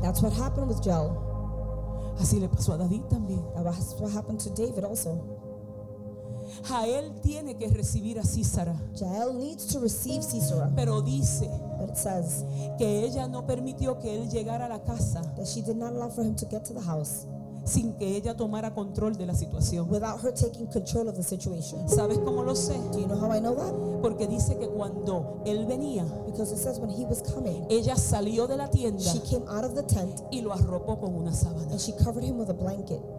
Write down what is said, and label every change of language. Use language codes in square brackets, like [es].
[en] That's what happened with Jael. [es] Así le pasó a David también. [en] That's what happened to David also. [es] Jael tiene que recibir a Sísara. [en] Jael needs to receive Sísara. [es] Pero dice, [en] but it says, [es] que ella no permitió que él llegara a la casa. [en] That she did not allow for him to get to the house. [es] Sin que ella tomara control de la situación. [en] Without her taking control of the situation. [es] ¿Sabes cómo lo sé? [en] Do you know how I know that? [es] Porque dice que cuando él venía, [en] because it says when he was coming, [es] ella salió de la tienda, [en] she came out of the tent, [es] y lo arropó con una sábana, [en] and she covered him with a blanket.